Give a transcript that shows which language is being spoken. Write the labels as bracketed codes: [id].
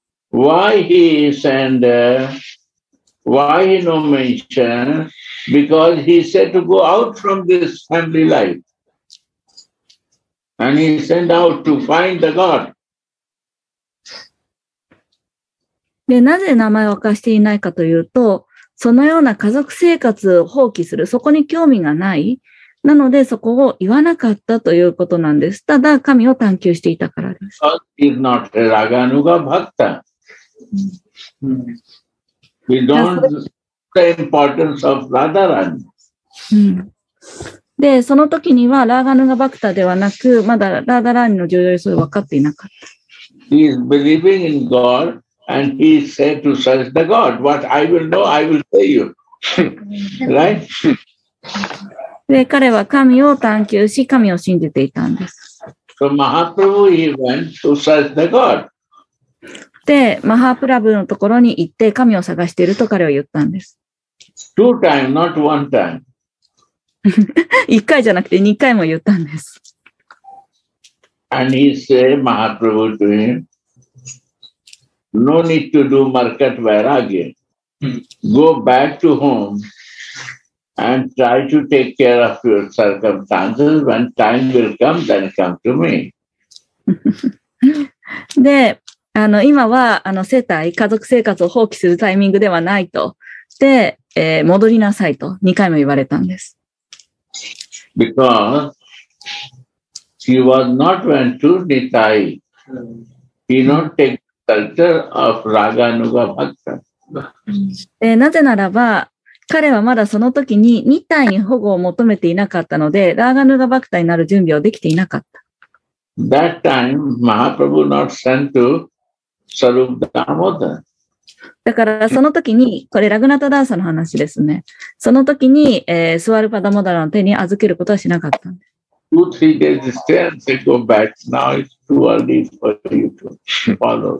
[en] Why he sent, why he no mention? Because he said to go out from this family life. And he sent out to find the God. [ja] で、なぜ名前を明かしていないかというと、そのような家族生活を放棄する、そこに興味がない、なのでそこを言わなかったということなんです。ただ神を探求していたからです。 [en] God is not Raganuga Bhakta. We don't see the importance of Radharani. [ja] で、その時にはラーガヌガバクタではなく、まだラーダラーニの重要性を分かっていなかった。 [en] He is believing in God and he said to such the God, what I will know, I will tell you. Right? [ja] で、彼は神を探求し、神を信じていたんです。 [en] So Mahaprabhu, he went to search the God. [ja] で、マハプラブのところに行って神を探していると彼は言ったんです。 [en] Two times, not one time. [ja] 1回じゃなくて2回も言ったんです。 [en] And he said, Mahaprabhu to him, no need to do market vairagya. Go back to home and try to take care of your circumstances. When time will come, then come to me. [ja] で、今は世帯、家族生活を放棄するタイミングではないと。で、戻りなさいと2回も言われたんです。 [en] Because he was not went to Nithai. He not take culture of Raganuga Bhakta. [ja] なぜならば、彼はまだその時に Nithai に保護を求めていなかったので、Raganuga Bhakta になる準備をできていなかった。 [en] That time, Mahaprabhu not sent to Sarup Damodar. [ja] だからその時に、これラグナタダーサの話ですね。その時に、スワルパダモダラの手に預けることはしなかったんです [en] 。 2、3 days stay and say go back. Now it's too early for you to follow.